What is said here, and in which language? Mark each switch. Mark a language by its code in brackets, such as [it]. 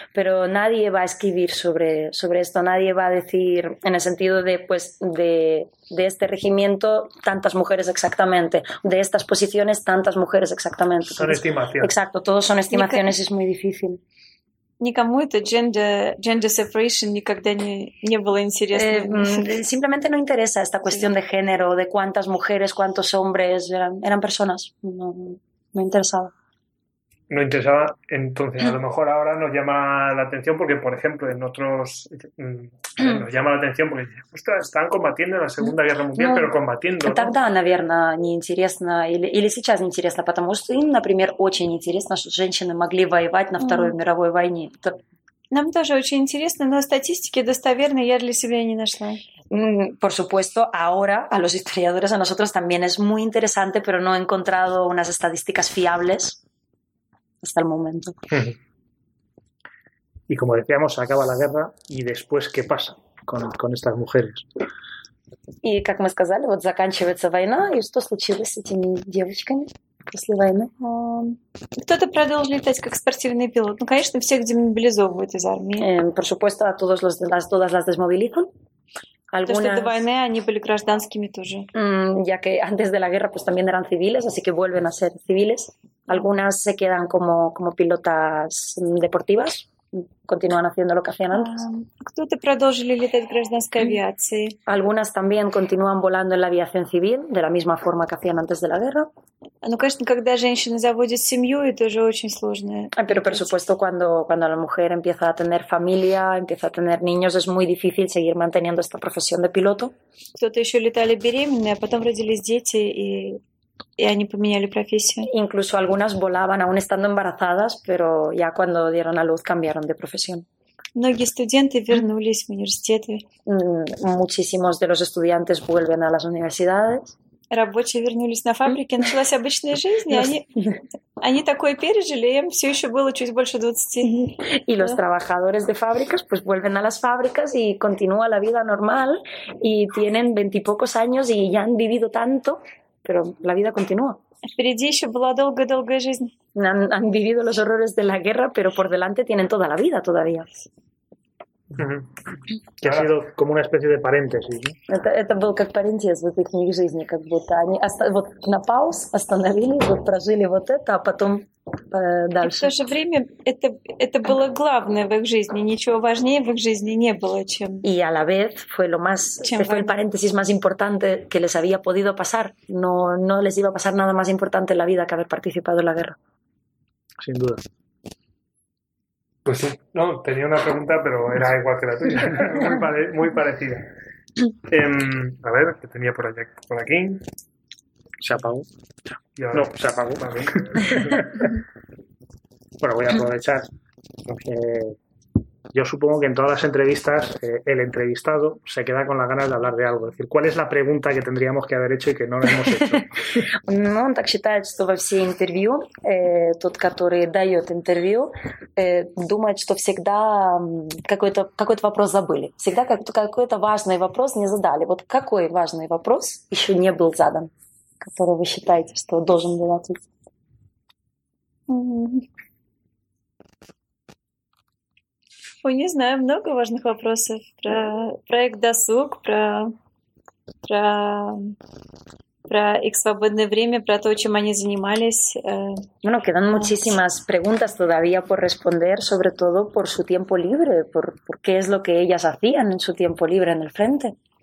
[es] Pero nadie va a escribir sobre esto. Nadie va a decir, en el sentido de, pues, de este regimiento, tantas mujeres exactamente. De estas posiciones, tantas mujeres exactamente. Son estimaciones. Exacto, todos son estimaciones. Es muy difícil. [ru] Никому это [en] gender separation [ru] никогда не было интересно. [es] Simplemente no interesa esta cuestión de género, de cuántas mujeres, cuántos hombres. Eran personas. No interesaba. No interesaba, entonces a lo mejor ahora nos llama la atención porque, por ejemplo, en otros nos llama la atención porque, ostras, están combatiendo en la Segunda Guerra Mundial, pero combatiendo, ¿no? [ru] Тогда, наверное, неинтересно, или сейчас неинтересно, потому что им, например, очень интересно, что женщины могли воевать на Второй мировой войне. Нам тоже очень интересно, но статистики достоверной я для себя не нашла. [es] Por supuesto, ahora a los historiadores, a nosotros también es muy interesante, pero no he encontrado unas estadísticas fiables. Hasta el momento. Y como decíamos, acaba la guerra y después, ¿qué pasa con estas mujeres? [ru] Y как мы сказали, вот заканчивается война, и что случилось с этими девочками после войны? Кто-то продолжил летать как спортивный пилот. Ну, конечно, всех демобилизовывают из армии. [es] Por supuesto, a todas las desmovilizan. Algunas... Entonces, de [ru] войны они были гражданскими тоже. [es] Ya que antes de la guerra pues también eran civiles, así que vuelven a ser civiles. Algunas se quedan como pilotas deportivas, continúan haciendo lo que hacían antes. [ru] Кто-то продолжили летать в гражданской авиации. [es] Algunas también continúan volando en la aviación civil de la misma forma que hacían antes de la guerra. [ru] Ну, конечно, когда женщина заводит семью, это же очень сложно. [es] Pero por supuesto, cuando la mujer empieza a tener familia, empieza a tener niños, es muy difícil seguir manteniendo esta profesión de piloto. [ru] Кто-то еще летали беременные, а потом родились дети y они поменяли профессию. [es] Incluso algunas volaban aún estando embarazadas, pero ya cuando dieron a luz cambiaron de profesión. [ru] Многие студенты вернулись в университеты. [es] Muchísimos de los estudiantes vuelven a las universidades. [ru] Рабочие вернулись на фабрики, началась обычная жизнь, они такое пережили, им все еще было чуть больше 20. [es] Y los trabajadores de fábricas pues vuelven a las fábricas y continúa la vida normal y tienen 20 y pocos años y ya han vivido tanto. Pero la vida continúa. [ru] Впереди еще была долгая жизнь. [es] Han vivido los horrores de la guerra, pero por delante tienen toda la vida todavía. Mm-hmm. Que ha sido como una especie de paréntesis, ¿no? [ru] Это был как paréntesis в этой книге жизни, как будто они вот на паузу остановили, вот прожили вот это, а потом дальше. И в то же время это было главное в их жизни, ничего важнее в их жизни не было, чем. [es] И a la vez fue lo más, fue el paréntesis más importante que les había podido pasar. No les iba a pasar nada más importante en la vida que haber participado en la guerra. Sin duda. Pues sí, no, tenía una pregunta, pero era igual que la tuya, muy parecida. A ver, que tenía por allá, por aquí. Se apagó. Y ahora, no, se apagó también. Bueno, voy a aprovechar. Yo supongo que en todas las entrevistas el entrevistado se queda con las ganas de hablar de algo. Es decir, ¿cuál es la pregunta que tendríamos que haber hecho y que no lo hemos hecho? [ru] Ну, он так считает, что во все интервью, тот, который дает интервью, думает, что всегда какой-то вопрос забыли. Всегда какой-то важный вопрос не задали. Вот какой важный вопрос еще не был задан, который вы считаете, что должен был ответить? Ой, не знаю, много важных вопросов про проект «Досуг», про их свободное время, про то, чем они занимались. [es] Bueno, quedan muchísimas preguntas todavía por responder, sobre todo por su tiempo libre, por qué es lo que ellas hacían en su tiempo libre en el frente.